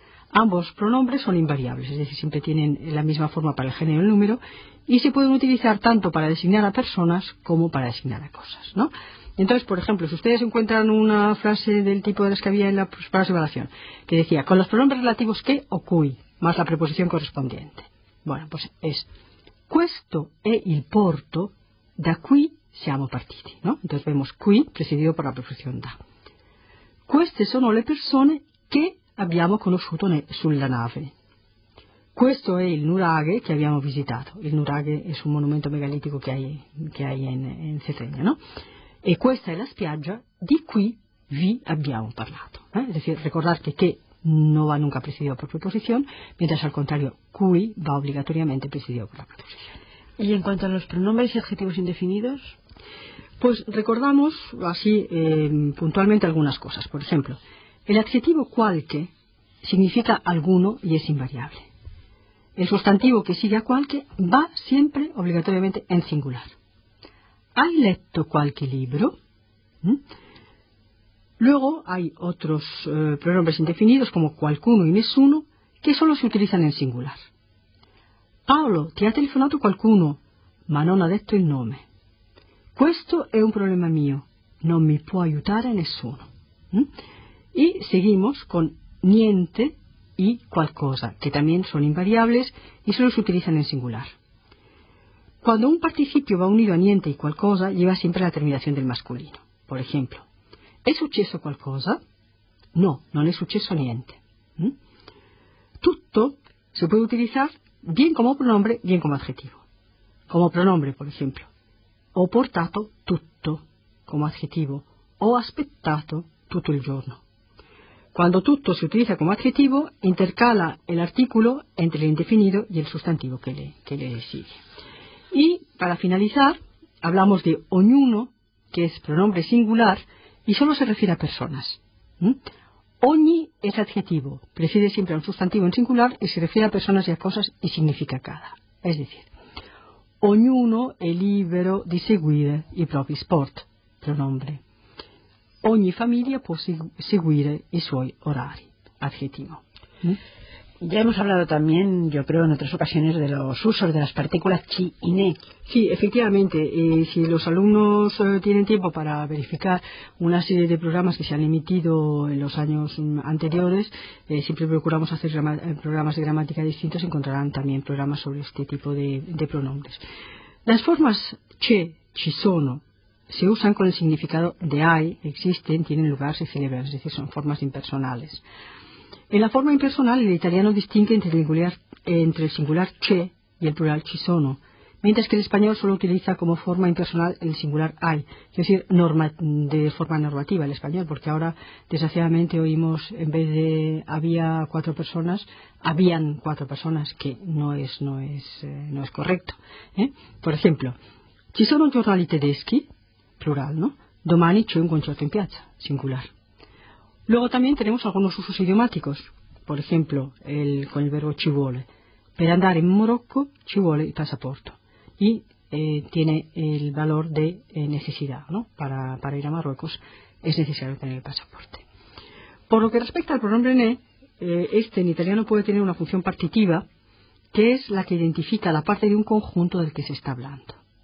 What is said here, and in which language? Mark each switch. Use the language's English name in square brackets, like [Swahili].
[Spanish] Ambos pronombres son invariables, es decir, siempre tienen la misma forma para el género y el número y se pueden utilizar tanto para designar a personas como para designar a cosas, ¿no? Entonces, por ejemplo, si ustedes encuentran una frase del tipo de las que había en la primera evaluación, que decía, con los pronombres relativos que o cui, más la preposición correspondiente. Bueno, pues es, [Italian] questo è il porto da cui siamo partiti, ¿no? [Spanish] Entonces vemos qui presidido por la preposición da. [Italian] Queste sono le persone che abbiamo conosciuto sulla nave. Questo è il nuraghe che abbiamo visitato. Il nuraghe è un monumento megalitico che hai in Cerdegna, ¿no? E questa è la spiaggia di cui vi abbiamo parlato. [Spanish] Es decir, recordar [Italian] che non va [Spanish] nunca [Italian] presidio per preposizione, mentre al contrario, cui va obbligatoriamente presidio per la preposizione. E in quanto a [Spanish] los pronombres y adjetivos indefinidos? Pues recordamos así puntualmente algunas cosas. Por ejemplo, el adjetivo qualche significa alguno y es invariable. El sustantivo que sigue a qualche va siempre obligatoriamente en singular. [Italian] ¿Hai letto qualche libro? [Spanish] Luego hay otros pronombres indefinidos como qualcuno y nessuno que solo se utilizan en singular. [Italian] Paolo, ti ha telefonato qualcuno, ma non ha detto il nome. Questo è un problema mio, non mi può aiutare nessuno. [Spanish] Y seguimos con niente y qualcosa, que también son invariables y solo se utilizan en singular. Cuando un participio va unido a niente y qualcosa, lleva siempre la terminación del masculino. Por ejemplo, [Italian] ¿è successo qualcosa? No, non è successo niente. [Spanish] Tutto se puede utilizar bien como pronombre, bien como adjetivo. Como pronombre, por ejemplo, [Italian] ho portato tutto [Spanish] como adjetivo, [Italian] ho aspettato tutto il giorno. [Spanish] Cuando tutto se utiliza como adjetivo, intercala el artículo entre el indefinido y el sustantivo que le sigue. Y, para finalizar, hablamos de ognuno, que es pronombre singular, y solo se refiere a personas. Ogni es adjetivo, prefiere siempre a un sustantivo en singular, y se refiere a personas y a cosas, y significa cada. Es decir, [Italian] ognuno è libero di seguire i propri sport, [Spanish] pronombre. [Italian] Ogni famiglia può seguire i suoi orari, [Spanish] adjetivo. Ya hemos hablado también, yo creo, en otras ocasiones de los usos de las partículas chi y ne. Sí, efectivamente. Si los alumnos tienen tiempo para verificar una serie de programas que se han emitido en los años anteriores, siempre procuramos hacer programas de gramática distintos, encontrarán también programas sobre este tipo de pronombres. Las formas che, ci sono, se usan con el significado de hay, existen, tienen lugar, se celebran, es decir, son formas impersonales. En la forma impersonal, el italiano distingue entre el singular che y el plural ci sono, mientras que el español solo utiliza como forma impersonal el singular hay, es decir, de forma normativa el español, porque ahora, desgraciadamente, oímos, en vez de había cuatro personas, habían cuatro personas, que no es correcto. Por ejemplo, [Italian] ci sono giornali tedeschi, [Spanish] plural, ¿no? [Italian] Domani c'è un concerto in piazza, singular. [Spanish] Luego también tenemos algunos usos idiomáticos, por ejemplo, con el verbo ci vuole. [Italian] Per andare in Morocco ci vuole il passaporto. [Spanish] Y tiene el valor de necesidad, ¿no? Para ir a Marruecos es necesario tener el pasaporte. Por lo que respecta al pronombre ne, este en italiano puede tener una función partitiva, que es la que identifica la parte de un conjunto del que se está hablando.